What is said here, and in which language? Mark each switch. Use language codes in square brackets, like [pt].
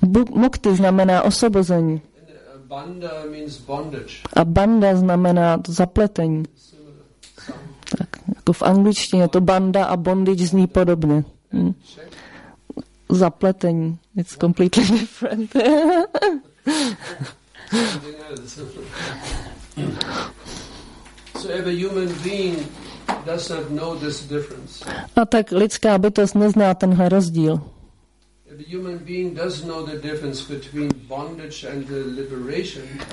[cs] Mukti znamená osvobození. [en] Banda means bondage. [cs] A banda znamená zapletení. Tak, jako v angličtině to banda a bondage zní podobně. Zapletení. [en] It's completely different. So if a human being does not know this difference. [cs] A tak lidská bytost nezná tenhle rozdíl. [en] The human being does know the difference between bondage and the liberation.